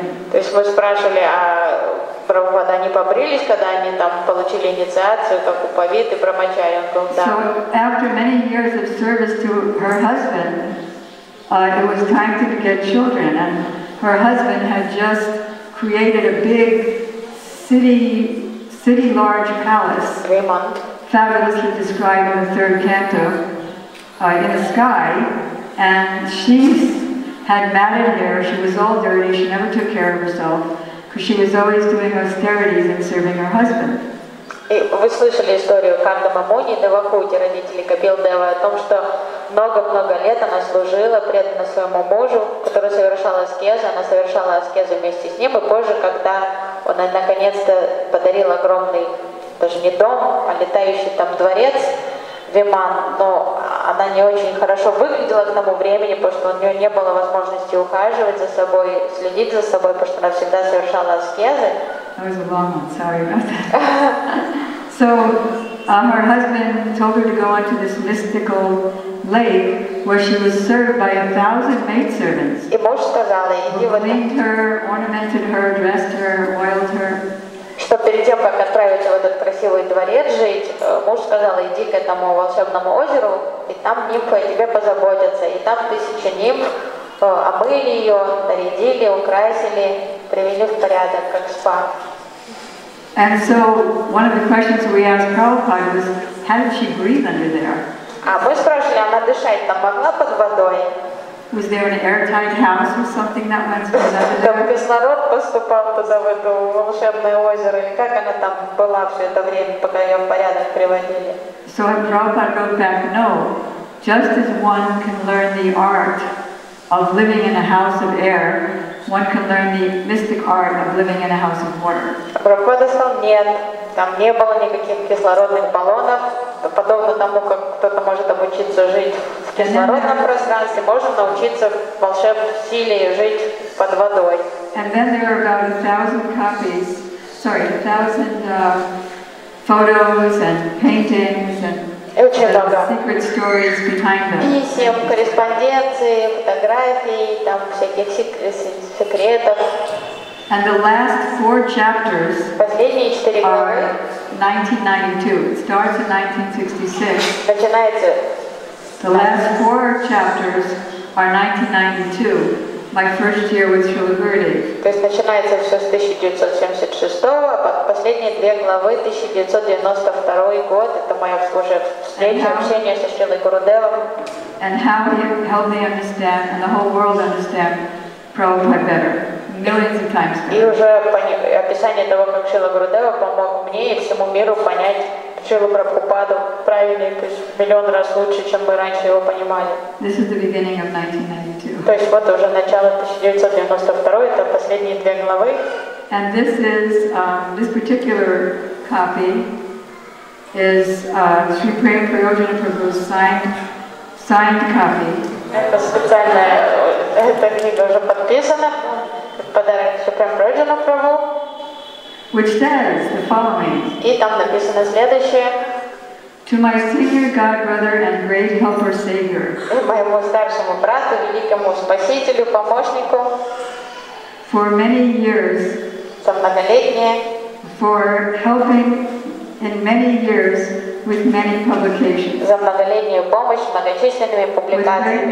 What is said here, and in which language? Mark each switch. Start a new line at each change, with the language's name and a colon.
Russian: То есть мы спрашивали, а Прабхупада, они побрились, когда они там получили инициацию, как у Павиты, брамачари, он говорил, да.
English: So after many years of service to her husband, it was time to get children, and her husband had just created a big city large palace, fabulously described in the third canto, in the sky, and she's had matted hair, she was all dirty, she never took care of herself, because she was always doing austerities and serving her husband.
Russian: Вы слышали историю Кардама Муни, Девахути, родителей Капил Девы, о том, что много-много лет она служила преданно своему мужу, который совершал аскезу, она совершала аскезу вместе с ним, и позже, когда он наконец-то подарил огромный, даже не дом, а летающий там дворец, Виман, но она не очень хорошо выглядела к тому времени, потому что у нее не было возможности ухаживать за собой, следить за собой, потому что она всегда совершала аскезы.
English: That was a long one, sorry about that. So her husband told her to go onto this mystical lake where she was served by 1,000 maidservants.
Russian: И муж сказал ей, иди вот так.
English: Cleaned her, ornamented her, dressed her, oiled her.
Russian: Что перед тем, как отправить в этот красивый дворец жить, муж сказал, иди к этому волшебному озеру, и там нимфы о тебе позаботятся. И там 1000 нимф омыли ее, нарядили, украсили, привели в порядок, как спа.
English: And so one of the questions we asked Prabhupada was, how did she breathe under there?
Russian: А мы спрашивали, она дышать там могла под водой?
English: Was there an airtight house or something that went from under there?
Russian: Там кислород поступал туда, в это волшебное озеро, или как она там была все это время, пока ее в порядок приводили?
English: So Prabhupada wrote back, no, just as one can learn the art of living in a house of air, one can learn the mystic art of living in a house of water.
Russian: Прабхупада сказал, нет, там не было никаких кислородных баллонов, подобно тому, как кто-то может обучиться жить в кислородном пространстве, можно научиться в волшебной силе жить под водой.
English: And then there are about 1,000 copies, sorry, 1,000 photos and paintings and secret stories behind them.
Russian: Писем, корреспонденции, фотографии, там всяких секретов.
English: And the last four chapters are 1992. It starts in 1966. The last four chapters are 1992. My first year with Srila Gurudev.
Russian: То есть начинается все с 1976, а последние две главы 1992 год. Это моя уже встреча, общение со Шрилой Гурудевом.
English: And how he helped me understand, and the whole world understand, Prabhupada better. Millions of times better.
Russian: И уже описание того, как Шрила Гурудева помог мне и всему миру понять Шрилу Прабхупаду правильно, то есть в миллион раз лучше, чем мы раньше его понимали.
English: This is the beginning of 1992.
Russian: То есть вот уже начало 1992, это последние две главы.
English: And this is, this particular copy is Sri Prem Prayojana Prabhu's signed copy.
Russian: Это специальная, эта книга уже подписана, подарок Sri Prem Prayojana Prabhu.
English: Which says the following.
Russian: И там написано следующее.
English: To my senior god brother and great helper savior.
Russian: Моему старшему брату, великому спасителю, помощнику.
English: For many years.
Russian: За многолетние.
English: For helping in many years with many publications.
Russian: За многолетнюю помощь многочисленными публикациями.